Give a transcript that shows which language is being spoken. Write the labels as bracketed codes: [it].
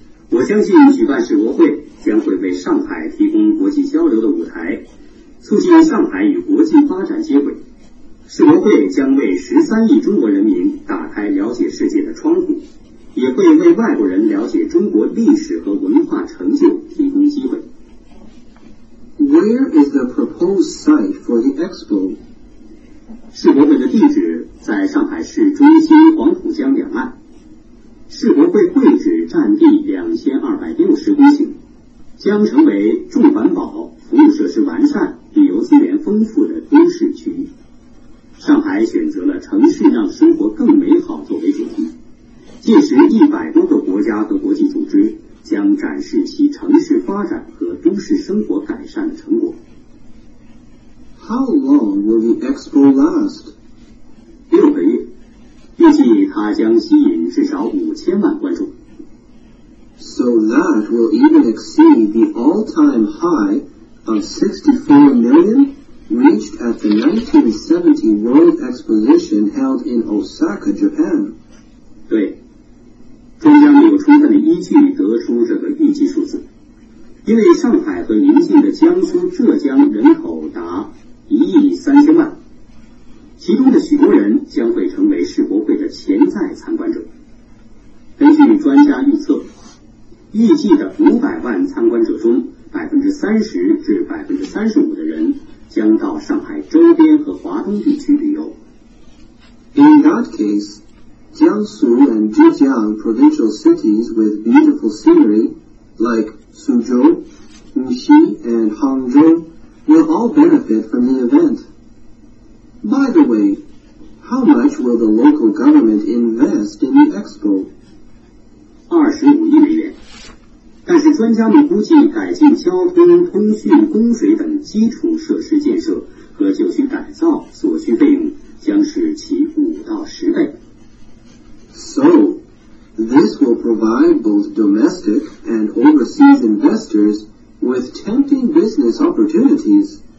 [zh] 我相信举办世博会将会为上海提供国际交流的舞台，促进上海与国际发展机会。世博会将为13亿中国人民打开了解世界的窗户，也会为外国人了解中国历史和文化成就提供机会。 [en] Where is the proposed site for the expo? [zh] 世博会的地址在上海市中心黄浦江两岸，世博会会址占地2260公顷，将成为重环保、服务设施完善、旅游资源丰富的都市区域。上海选择了城市让生活更美好作为主题，届时100多个国家和国际组织将展示其城市发展和都市生活改善的成果。 [en] How long will the expo last? [zh] 六个月，预计它将吸引至少5000万观众。 [en] So So that will even exceed the all-time high of 64 million reached at the 1970 World Exposition held in Osaka, Japan. [zh] 对，中央有充分的依据得出这个预计数字，因为上海和邻近的江苏、浙江人口达1.3亿，其中的许多人将会成为世博会的潜在参观者。根据专家预测，预计的500万参观者中，30%至35%的人将到上海周边和华东地区旅游。 [en] In that case, Jiangsu and Zhejiang provincial cities with beautiful scenery, like Suzhou, Wuxi, and Hangzhou, will all benefit from the event. By the way, how much will the local government invest in the expo? [zh] 25亿美元。但是专家们估计，改进交通、通讯、供水等基础设施建设和旧区改造所需费用将是其5到10倍。 [en] So, this will provide both domestic and overseas investors with tempting business opportunities.